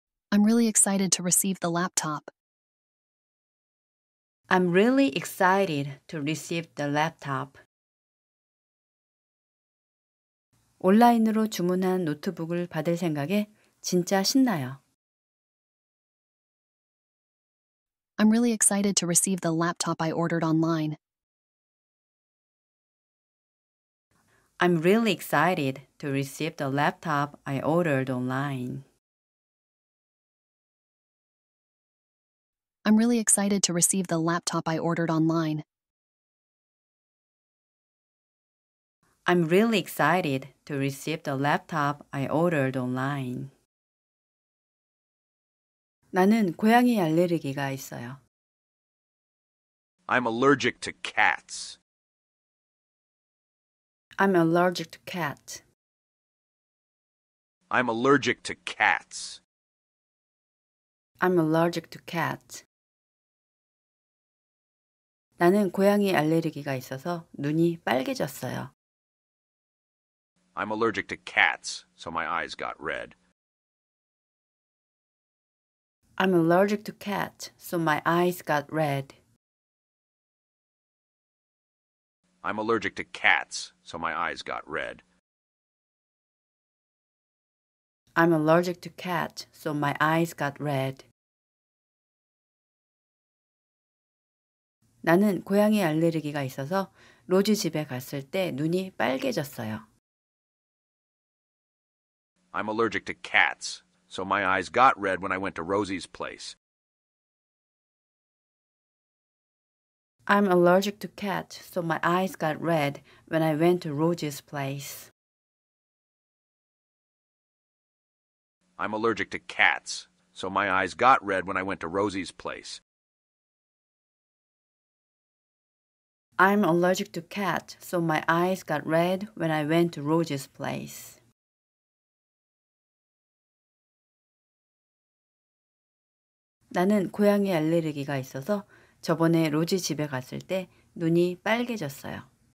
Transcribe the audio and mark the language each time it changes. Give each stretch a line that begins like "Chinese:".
English: I'm really excited to receive the laptop. I'm really excited to receive the laptop.
Korean: 온라인으로 주문한 노트북을 받을 생각에 진짜 신나요.
English: I'm really excited to receive the laptop I ordered online. I'm really excited to receive the laptop I ordered online. I'm really excited to receive the laptop I ordered online. I'm really excited to receive the laptop I ordered online.
Korean: 나는 고양이 알레르기가 있어요.
English: I'm allergic to cats. I'm allergic to cats. I'm allergic to cats. I'm allergic to cats.
Korean: 나는 고양이 알레르기가 있어서 눈이 빨개졌어요.
English: I'm allergic to cats, so my eyes got red. I'm allergic to cats, so my eyes got red. I'm allergic to cats, so my eyes got red. I'm allergic to cats, so my eyes got red.
Korean: 나는 고양이 알레르기가 있어서 로지 집에 갔을 때 눈이 빨개졌어요.
English: I'm allergic to cats, so my eyes got red when I went to Rosy's place. I'm allergic to cats, so my eyes got red when I went to Rosy's place. I'm allergic to cats, so my eyes got red when I went to Rosy's place. I'm allergic to cats, so my eyes got red when I went to Rosy's place.
Korean: 나는 고양이 알레르기가 있어서 저번에 로지 집에 갔을 때 눈이 빨개졌어요.